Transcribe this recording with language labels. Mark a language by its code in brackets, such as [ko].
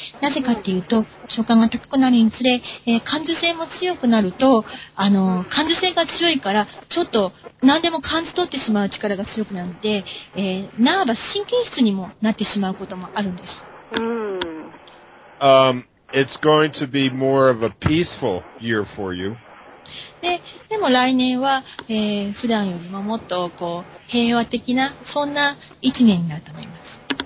[ja] なぜかっていうと、直感が高くなるにつれ、感受性も強くなると、感受性が強いから、ちょっと何でも感じ取ってしまう力が強くなって、なおば神経質にもなってしまうこともあるんです。 [en] It's going to be more of a peaceful year for you. [ja] でも来年は、普段よりももっとこう平和的なそんな一年になると思います。